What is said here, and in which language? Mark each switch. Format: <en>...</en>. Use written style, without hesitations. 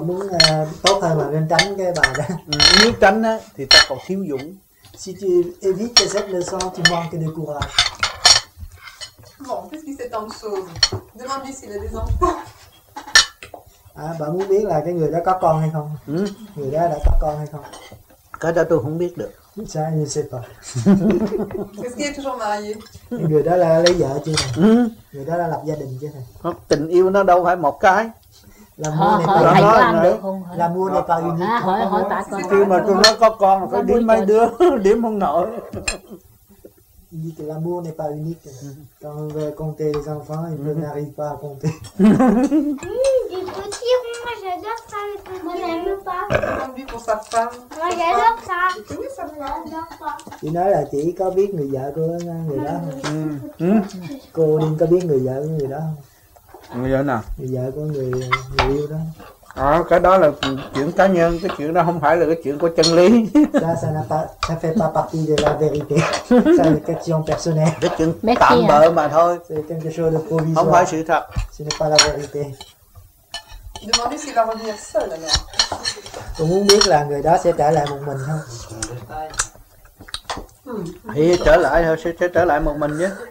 <vi>muốn tốt hơn là nên tránh cái bài đó. Nếu tránh á thì ta còn thiếu dũng.</vi> <fr>Si tu évites cette leçon, tu manques de courage. Bon, qu'est-ce qui s'est en chose? Demande-lui s'il a des enfants.</fr> <vi>À, bà muốn biết là cái người đó có con hay không? Ừ. Người đó đã có con hay không? Cái đó tôi không biết được.</vi> <fr>Ça, je ne sais pas. Est-ce qu'il est toujours marié?</fr> <vi>Người đó là lấy vợ chưa thầy? Người đó là lập gia đình chưa thầy? Tình yêu nó đâu phải một cái.</vi> <fr>L'amour n'est pas une chose.</fr> <vi>Khi mà tôi nói có con là phải điểm mấy đứa, điểm không nổi.</vi> <fr>Il dit que l'amour n'est pas unique. Quand on veut compter les enfants, il n'arrive pas à compter. Des petits ronds, Moi, j'adore ça.</fr> <vi>Tu nói là chị có biết người vợ của người đó. Cô Linh có biết người vợ của người đó không? Người vợ nào? Người vợ của người yêu đó. Cái đó là chuyện cá nhân, cái chuyện đó không phải là cái chuyện của chân lý.</vi> <fr>Ça fait pas partie de la vérité. Ça est question personnelle.</fr> <vi>Cái chuyện tạm bợ mà thôi.</vi> <fr>C'est quelque chose de provisoire.</fr> <vi>Không phải sự thật.</vi> <fr>Ce n'est pas la vérité. Demandez s'il va revenir seul alors.</fr> <vi>Tôi muốn biết là người đó sẽ trở lại một mình không? Thì trở lại thôi, sẽ trở lại một mình chứ.</vi>